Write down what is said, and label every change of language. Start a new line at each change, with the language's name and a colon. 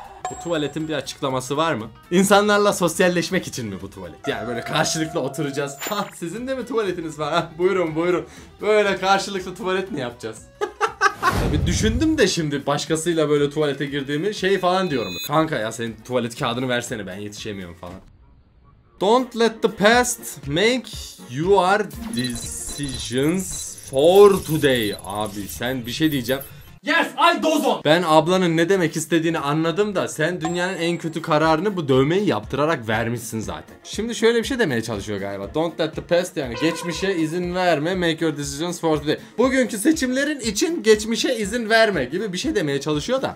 Turkish: Bu tuvaletin bir açıklaması var mı? İnsanlarla sosyalleşmek için mi bu tuvalet? Yani böyle karşılıklı oturacağız. Ha, sizin de mi tuvaletiniz var? Ha, buyurun buyurun. Böyle karşılıklı tuvalet mi yapacağız? Bir düşündüm de şimdi başkasıyla böyle tuvalete girdiğimi şey falan diyorum. Kanka ya senin tuvalet kağıdını versene, ben yetişemiyorum falan.
English: Don't let the past make your decisions for today.
Turkish: Abi sen bir şey diyeceğim.
English: Yes I dozo.
Turkish: Ben ablanın ne demek istediğini anladım da sen dünyanın en kötü kararını bu dövmeyi yaptırarak vermişsin zaten. Şimdi şöyle bir şey demeye çalışıyor galiba.
English: Don't let the past,
Turkish: yani geçmişe izin verme,
English: make your decisions for today.
Turkish: Bugünkü seçimlerin için geçmişe izin verme gibi bir şey demeye çalışıyor da.